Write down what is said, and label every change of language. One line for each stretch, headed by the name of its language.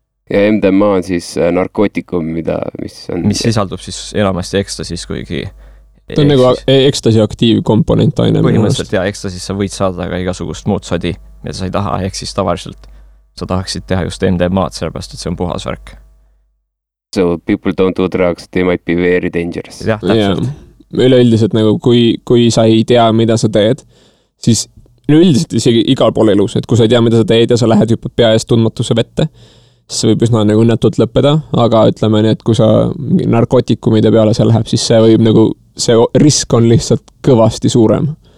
Estonian: Ja MDMA on siis narkootikum, mis on... Mis sisaldub siis enamasti ekstasis, kuigi ta on nagu ekstasi aktiiv komponent aine. Põhimõtteliselt ja ekstasis sa võid saada ka igasugust muud sodi, mida sa ei taha, ehk siis tavaliselt sa tahaksid teha just MDMA-t, sellepärast, et see on puhas värk.
English: So people don't do drugs, they might be very dangerous.
Estonian: Jah, täpselt. Yeah. Üleüldiselt nagu kui sa ei tea, mida sa teed, siis üleüldiselt isegi igal pool elus, et kui sa ei tea, mida sa teed ja sa lähed juba pea eest tundmatuse vette, siis see võib üsna nagu õnnetult lõppeda, aga ütleme nii, et kui sa narkootikumide peale seal läheb, siis see võib nagu, see risk on lihtsalt kõvasti suurem.